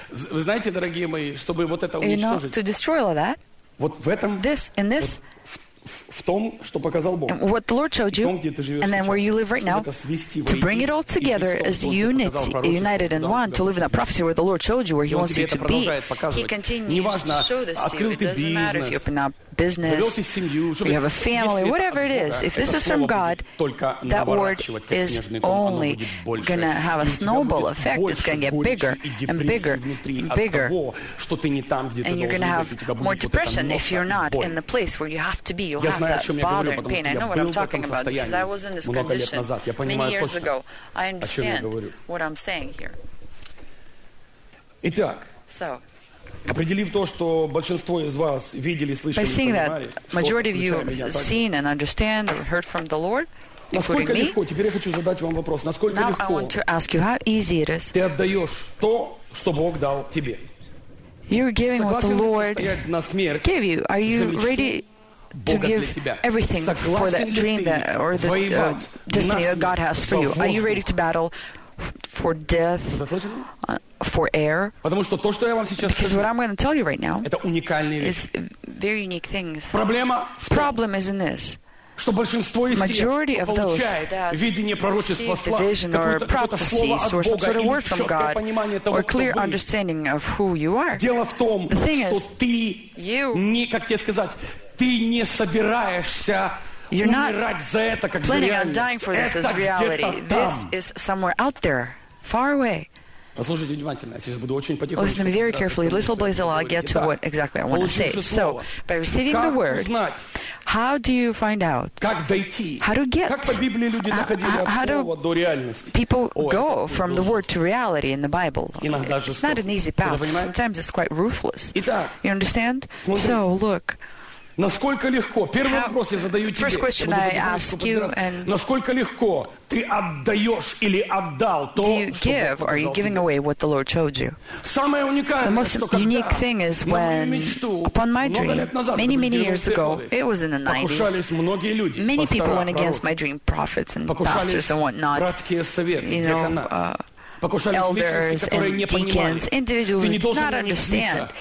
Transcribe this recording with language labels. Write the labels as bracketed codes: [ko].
[ru] Вы знаете, дорогие мои, чтобы вот это уничтожить... [en] To destroy all of that? [ru] Вот в этом... [en] In this... [ru] В том, что показал Бог. [en] What the Lord showed you, and then where you live right now, to bring it all together as united in one, to live in that prophecy where the Lord showed you, where He wants you to be. He continues to show this to you. It doesn't matter if you open up business, you have a family, whatever it is. If this is from God, that word is only going to have a snowball effect. It's going to get bigger and bigger and bigger. And you're going to have more depression if you're not in the place where you have to be. You'll have that bother and pain. I know what I'm talking about because I was in this condition many years ago. I understand what I'm saying here. [ru] Итак, [en] so, [ru] определив то, что большинство из вас видели, слышали, понимали, [en] majority of you have seen and understand or heard from the Lord, [ru] насколько легко, теперь я хочу задать вам вопрос, насколько [en] now [ru] легко [en] I want to ask you how easy it is. [ru] Ты отдаешь то, что Бог дал тебе? [en] You're giving what the Lord gave you. Are you ready to give everything for that dream that, or the destiny that God has for you? Are you ready to battle for death? For air. Because what I'm going to tell you right now is very unique things. Problem is in this. [ru] Что большинство из [en] majority [ru] тех, кто получает видение пророчества, какое-то слово от Бога или четкое понимание того, кто вы. Дело в том, что ты, не, как тебе сказать, ты не собираешься умирать за это, как за реальность. Это где-то там. [en] Out there, far away. [ru] Послушайте внимательно, я сейчас буду очень потихоньку. [en] Listen to me very carefully. Little by little, I'll get to what exactly I want to say. So, by receiving the word, how do you find out? [ru] Как дойти? [en] How to get? [ru] Как по Библии люди доходили от слова до реальности? [en] People go from the word to reality in the Bible. It's not an easy path. Sometimes it's quite ruthless. [ru] Итак, [en] you understand? So, look. [ru] Насколько легко? Первый вопрос я задаю тебе. [en] First question I ask you, and [ru] насколько легко ты отдаешь или отдал то, что Бог показал тебе? Самое уникальное, [en] the most unique thing is when, upon my dream, many years ago, it was in the 90s, many people went against my dream, prophets and pastors and whatnot, you know, elders and deacons, individuals who did not understand.